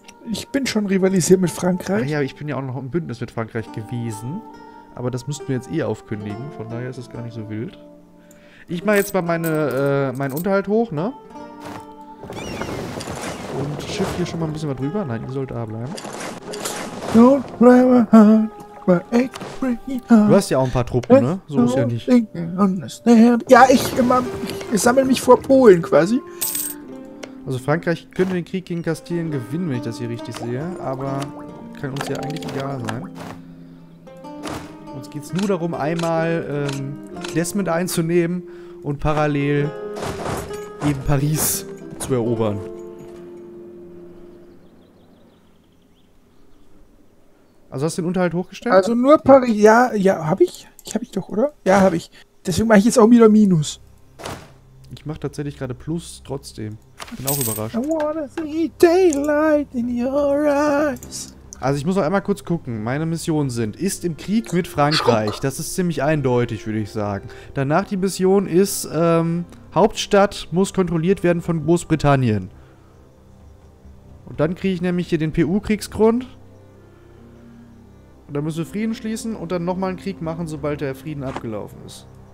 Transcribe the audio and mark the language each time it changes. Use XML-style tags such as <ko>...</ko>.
<de>Ich bin schon rivalisiert mit Frankreich. Ach ja, ich bin ja auch noch im Bündnis mit Frankreich gewesen. Aber das müssten wir jetzt eh aufkündigen. Von daher ist es gar nicht so wild. Ich mache jetzt mal meinen Unterhalt hoch, ne? Und schiff hier schon mal ein bisschen was drüber. Nein, ihr sollt da bleiben.</de> <en>Don't play my heart, my angry</en> <de>heart. Du hast ja auch ein paar Truppen, ne? So ist ja nicht. Ja, ich sammle mich vor Polen quasi. Also Frankreich könnte den Krieg gegen Kastilien gewinnen, wenn ich das hier richtig sehe. Aber kann uns ja eigentlich egal sein. Uns geht es nur darum, einmal Desmond einzunehmen und parallel eben Paris zu erobern. Also hast du den Unterhalt hochgestellt? Also nur Paris, ja, habe ich. Ich habe ich doch, oder? Ja, habe ich. Deswegen mache ich jetzt auch wieder Minus. Ich mache tatsächlich gerade Plus trotzdem. Bin auch überrascht.</de> <en>I wanna see daylight in your eyes.</en> <de>Also ich muss noch einmal kurz gucken. Meine Missionen sind, ist im Krieg mit Frankreich. Das ist ziemlich eindeutig, würde ich sagen. Danach die Mission ist, Hauptstadt muss kontrolliert werden von Großbritannien. Und dann kriege ich nämlich hier den PU-Kriegsgrund. Und dann müssen wir Frieden schließen und dann nochmal einen Krieg machen, sobald der Frieden abgelaufen ist.</de>